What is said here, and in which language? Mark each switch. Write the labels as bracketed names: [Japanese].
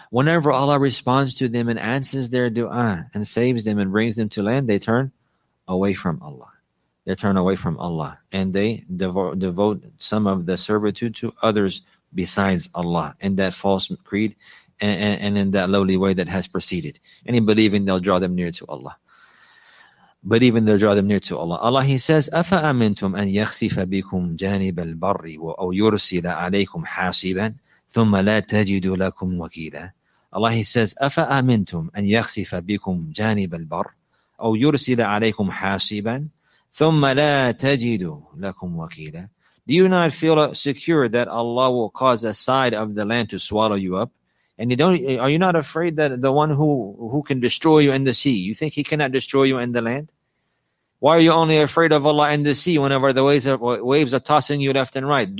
[English] Whenever Allah responds to them and answers their dua and saves them and brings them to land, they turn away from Allah. They turn away from Allah. And they devote some of the servitude to others besides Allah in that false creed and in that lowly way that has preceded. And in believing, they'll draw them near to Allah. But even they'll draw them near to Allah. Allah, he says, [Arabic] أَفَأَمِنْتُمْ أَنْ يَخْسِفَ بِكُمْ جَانِبَ الْبَرِّ وَأَوْ يُرْسِلَ عَلَيْكُمْ حَاسِبًا ثُمَّ لَا تَجِدُ لَكُمْ وَكِيلًا. [English] Allah, he says, [Arabic] أَفَأَمِنْتُمْ أَنْ يَخْسِفَ بِكُمْ جَانِبَ الْبَرِّ أَوْ يُرْسِلَ عَلَيْكُمْ حَاسِبًا ثُمَّ لَا تَجِدُ لَكُمْ وَكِيلًا. [English] Do you not feel secure that Allah will cause a side of the land to swallow you up? And you don't, are you not afraid that the one who can destroy you in the sea, you think he cannot destroy you in the land? Why are you only afraid of Allah in the sea whenever the waves are tossing you left and right?